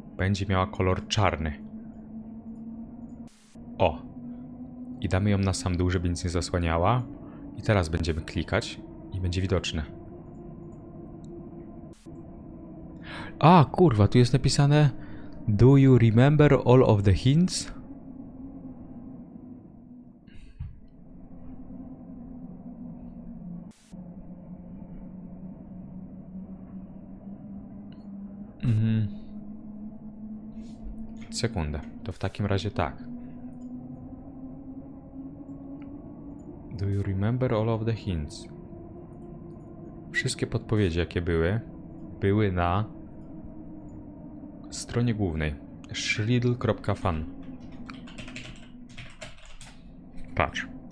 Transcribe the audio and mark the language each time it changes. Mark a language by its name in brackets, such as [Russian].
[Polish] Będzie miała kolor czarny. O. I damy ją na sam dół, żeby nic nie zasłaniała. I teraz będziemy klikać i będzie widoczne. A, kurwa, tu jest napisane... [English] Do you remember all of the hints? [Polish] Sekundę, to w takim razie tak. [English] Do you remember all of the hints? [Polish] Wszystkie podpowiedzi, jakie były, były na stronie głównej. Shriddle.fan. Patrz.